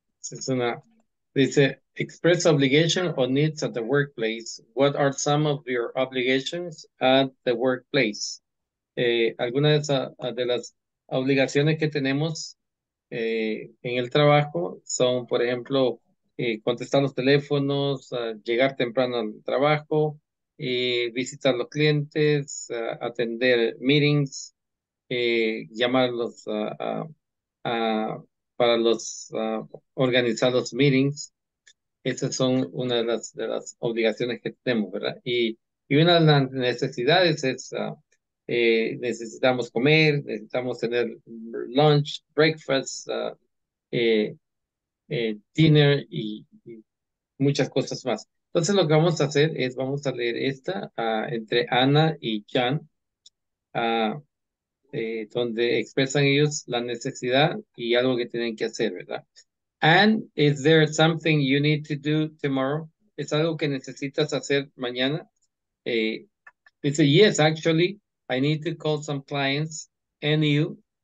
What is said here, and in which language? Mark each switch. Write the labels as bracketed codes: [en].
[es] Es una, dice, [en] express obligation or needs at the workplace. What are some of your obligations at the workplace? [es] Algunas de las obligaciones que tenemos en el trabajo son, por ejemplo, contestar los teléfonos, llegar temprano al trabajo, visitar los clientes, atender meetings, llamarlos para los organizar los meetings. Esas son una de las obligaciones que tenemos, ¿verdad? Y una de las necesidades es necesitamos comer, necesitamos tener lunch, breakfast, dinner y muchas cosas más. Entonces lo que vamos a hacer es vamos a leer esta entre Ana y John, donde expresan ellos la necesidad y algo que tienen que hacer, ¿verdad? [en] And is there something you need to do tomorrow? [es] ¿Es algo que necesitas hacer mañana? Dice, [en] yes, actually, I need to call some clients and you.